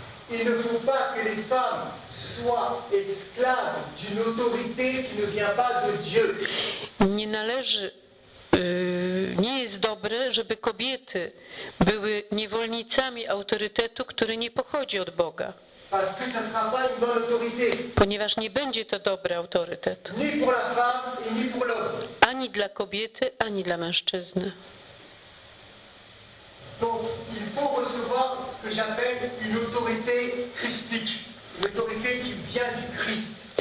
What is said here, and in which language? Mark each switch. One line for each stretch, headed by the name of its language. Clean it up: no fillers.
French: Il ne faut pas que les femmes soient esclaves d'une autorité qui ne vient pas de Dieu.
Polish: Nie należy, nie jest dobre, żeby kobiety były niewolnicami autorytetu, który nie pochodzi od Boga.
French: Parce que ça sera pas une bonne autorité.
Polish: Ponieważ nie będzie to dobry autorytet.
French: Ni pour la femme et ni pour l'homme.
Polish: Ani dla kobiety, ani dla mężczyzny.
French: Donc il faut recevoir ce que j'appelle une autorité christique, une autorité qui vient du Christ.